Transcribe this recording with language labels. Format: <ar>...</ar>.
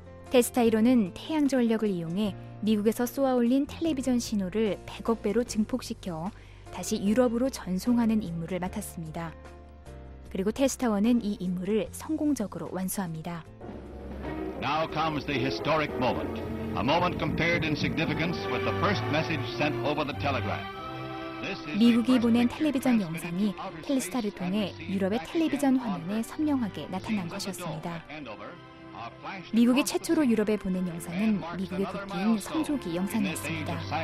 <ko>테스타 1호는 태양 전력을 이용해 미국에서 쏘아올린 텔레비전 신호를 100억 배로 증폭시켜 다시 유럽으로 전송하는 임무를 맡았습니다. 그리고 테스타 1은 이 임무를 성공적으로 완수합니다.</ko> <en>Now comes the historic moment. A moment compared in significance with the first message sent over the telegraph.</en> <ko>미국이 보낸 텔레비전 영상이 텔스타를 통해 유럽의 텔레비전 화면에 선명하게 나타난 것이었습니다. 미국이 최초로 유럽에 보낸 영상은 미국의 국기인 성조기 영상이었습니다.</ko>